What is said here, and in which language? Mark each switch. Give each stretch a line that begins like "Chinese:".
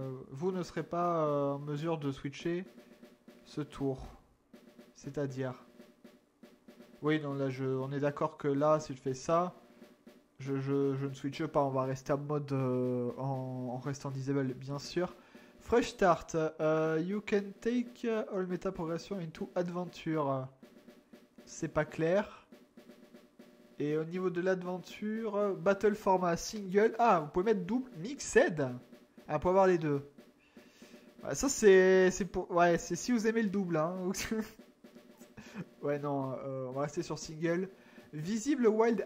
French: Vous ne serez pas en mesure de switcher ce tour. C'est-à-dire. Oui, non, là on est d'accord que là, si je fais ça. Je ne switche pas. On va rester en mode en restant disable, bien sûr.
English: Fresh start, you can take all meta progression into adventure.
French: C'est pas clair. Et au niveau de l'aventure, Battle Format Single. Ah, vous pouvez mettre double Mixed. Ah, pour avoir les deux. Ouais, ça, c'est pour. Ouais, c'est si vous aimez le double. Hein. Ouais, non. On va rester sur Single. Visible Wild.